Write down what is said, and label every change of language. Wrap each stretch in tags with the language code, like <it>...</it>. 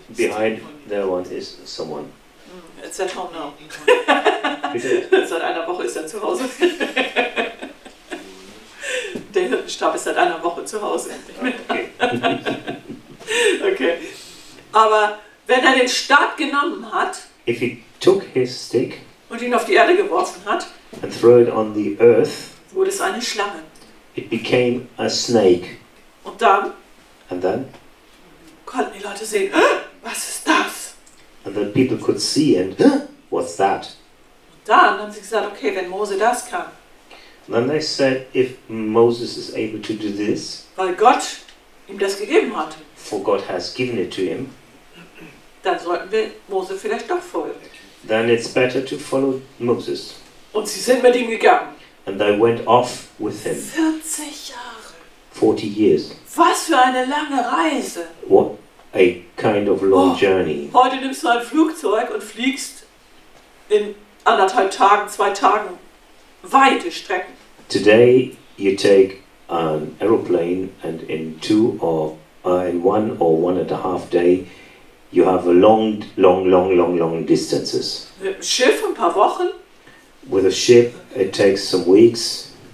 <en>Behind that one is someone. It's at home now.</en> <de>Bitte? Seit einer Woche ist er zu Hause. Der Hirtenstab ist seit einer Woche zu Hause.</de> <en>Okay. Okay.</en> <de>Aber wenn er den Stab genommen hat,</de> <en>if he took his stick</en> <de>und ihn auf die Erde geworfen hat,</de> <en>and threw it on the earth,</en> <de>wurde es eine Schlange.</de> <en>It became a snake.</en> <de>Und dann,</de> <en>and then,</en> <de>konnten die Leute sehen, was ist das?</de> <en>And then people could see and what's that?</en> <de>Und dann haben sie gesagt, okay, wenn Mose das kann,</de> <en>and then they said, if Moses is able to do this,</en> <de>weil Gott ihm das gegeben hat,</de> <en>for God has given it to him,</en> <de>dann sollten wir Mose vielleicht doch folgen.</de> <en>Then it's better to follow Moses.</en> <de>Und sie sind mit ihm gegangen.</de> <en>And they went off with him.</en> <de>40 Jahre.</de> <en>40 years.</en> <de>Was für eine lange Reise.</de> <en>What a kind of long journey.</en> <de>Heute nimmst du ein Flugzeug und fliegst in anderthalb Tagen, zwei Tagen weite Strecken.</de> <en>Today you take an aeroplane and in one and a half day you have a long distances.</en> <de>Schiff ein paar Wochen.</de> <en>With a ship it takes some weeks.</en>